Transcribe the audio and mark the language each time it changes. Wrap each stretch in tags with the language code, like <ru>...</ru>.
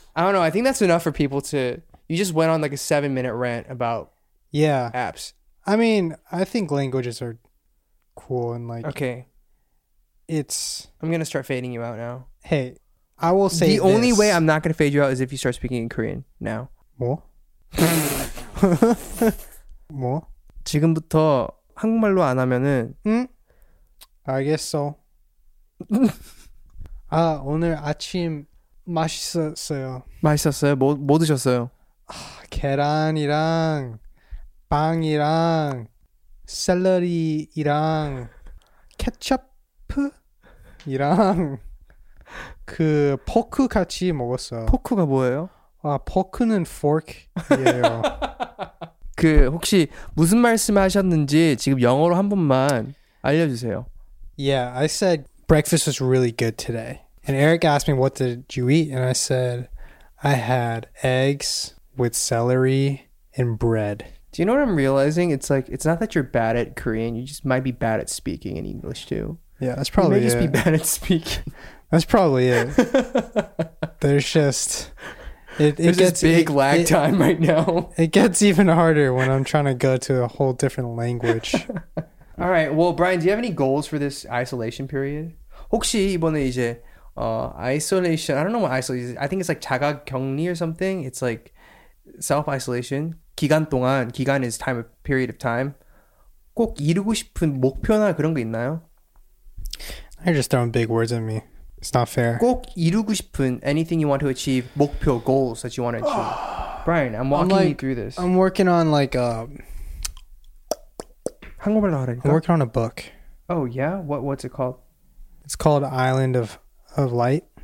<en>I don't know. I think that's enough for people to... You just went on like a 7-minute rant about apps. I mean, I think languages are cool and like... Okay. It's... I'm gonna start fading you out now. Hey, I will say the this. Only way I'm not gonna fade you out is if you start speaking in Korean now. What?</en> <ko>지금부터 한국말로 안 하면은 알겠어. 아, 오늘 아침 맛있었어요. 맛있었어요? 뭐 드셨어요? 아, 계란이랑 빵이랑 샐러리이랑 케첩이랑 그 포크 같이 먹었어요. 포크가 뭐예요? 아, 포크는 fork이에요. 그 혹시 무슨 말씀하셨는지 지금 영어로 한 번만 알려주세요.</ko> <en>Yeah, I said breakfast was really good today. And Eric asked me, what did you eat? And I said, I had eggs with celery and bread. Do you know what I'm realizing? It's like, it's not that you're bad at Korean. You just might be bad at speaking in English too. Yeah, that's probably it. You may just be bad at speaking. That's probably it. There's just... There's this big lag time right now. It gets even harder when I'm trying to go to a whole different language. All right. Well, Brian, do you have any goals for this isolation period?</en> <ko>혹시 이번에 이제</ko> <en>isolation, I don't know what isolation is. I think it's like</en> <ko>자가 격리</ko> <en>or something. It's like self-isolation.</en> <ko>기간 동안,</ko> <en>기간 is time, period of time.</en> <ko>꼭 이루고 싶은 목표나 그런 거 있나요?</ko> <en>You're just throwing big words at me. It's not fair.</en> <ko>꼭 이루고 싶은</ko> <en>anything you want to achieve, 목표, goals that you want to achieve. Brian, I'm walking you through this. I'm working on like a...</en> <ko>한국말로 하라니까?</ko> <en>I'm working on a book. Oh, yeah? What's it called? It's called Island of Light.</en>